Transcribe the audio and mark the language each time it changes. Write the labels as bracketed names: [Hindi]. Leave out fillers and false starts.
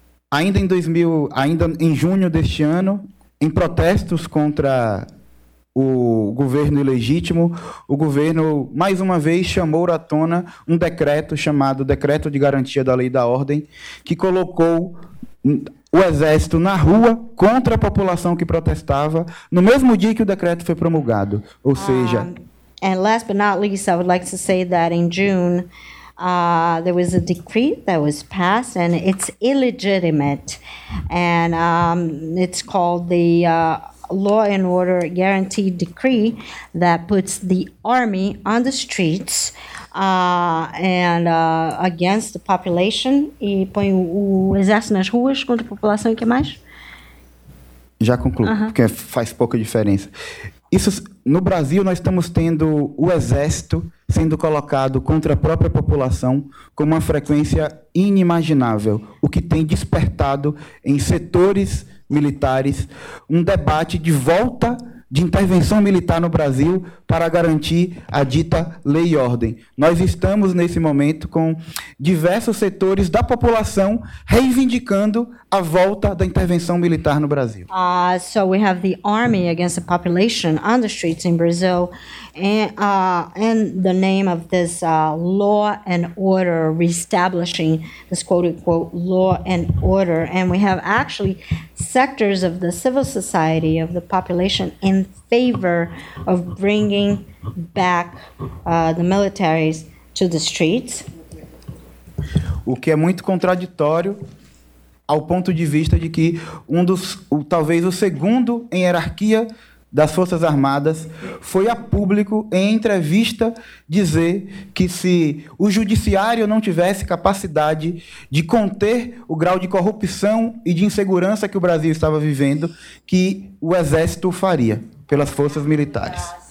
[Portuguese] Ainda em junho deste ano, em protestos contra o governo ilegítimo, o governo mais uma vez chamou à tona um decreto chamado Decreto de Garantia da Lei da Ordem, que colocou o exército na rua contra a população que protestava no mesmo dia que o decreto foi promulgado. Ou seja, [English] And last but not least, I would like to say that in June there was a decree that was passed, and it's illegitimate, and it's called the Law and Order Guaranteed Decree that puts the army on the streets and against the population. [Portuguese] E põe o exército nas ruas contra a população. E que mais? Já concluo, porque faz pouca diferença. Isso, no Brasil, nós estamos tendo o exército sendo colocado contra a própria população com uma frequência inimaginável, o que tem despertado em setores militares um debate de volta de intervenção militar no Brasil para garantir a dita lei e ordem. Nós estamos, nesse momento, com diversos setores da população reivindicando a volta da intervenção militar no Brasil. [English] So we have the army against the population on the streets in Brazil, and the name of this law and order, reestablishing this quote-unquote law and order. And we have actually sectors of the civil society, of the population, in favor of bringing back the militaries to the streets. [Portuguese] O que é muito contraditório ao ponto de vista de que um dos, ou talvez o segundo em hierarquia das Forças Armadas, foi a público, em entrevista, dizer que se o judiciário não tivesse capacidade de conter o grau de corrupção e de insegurança que o Brasil estava vivendo, que o exército faria pelas forças militares.